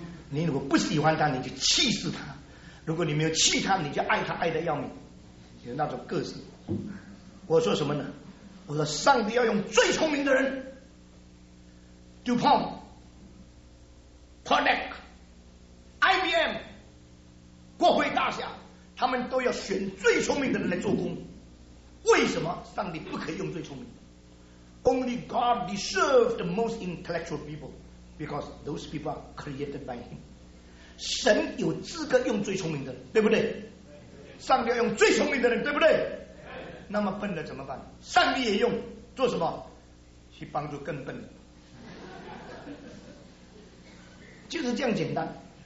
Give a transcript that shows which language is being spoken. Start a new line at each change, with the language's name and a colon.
Chinese: 你如果不喜欢他，你就气死他；如果你没有气他，你就爱他，爱得要命，有那种个性。我说什么呢？我说上帝要用最聪明的人 ，DuPont、Cornell、IBM、国会大侠，他们都要选最聪明的人来做工。为什么上帝不可以用最聪明的
English: ？Only God deserves the most intellectual people。 Because those people are created by him.
Chinese: 神有资格用最聪明的人，对不对？上帝要用最聪明的人，对不对？那么笨的怎么办？上帝也用，做什么？去帮助更笨的。就是这样简单。